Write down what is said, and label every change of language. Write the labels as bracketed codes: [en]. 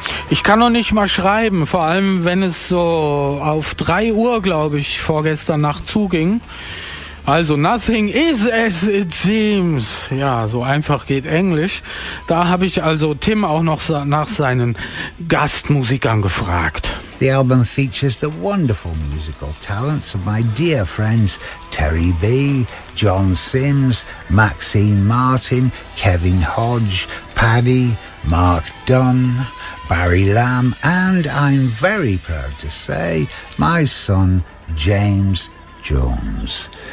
[de] Ich kann noch nicht mal schreiben, vor allem wenn es so auf 3 Uhr, glaube ich, vorgestern Nacht zuging. Also, Nothing Is As It Seems. Ja, so einfach geht Englisch. Da habe ich also Tim auch noch nach seinen Gastmusikern gefragt. [en] The album features the wonderful musical talents of my dear friends Terry B, John Sims, Maxine Martin, Kevin Hodge, Paddy, Mark Dunn, Barry Lamb, and I'm very proud to say, my son James Jones.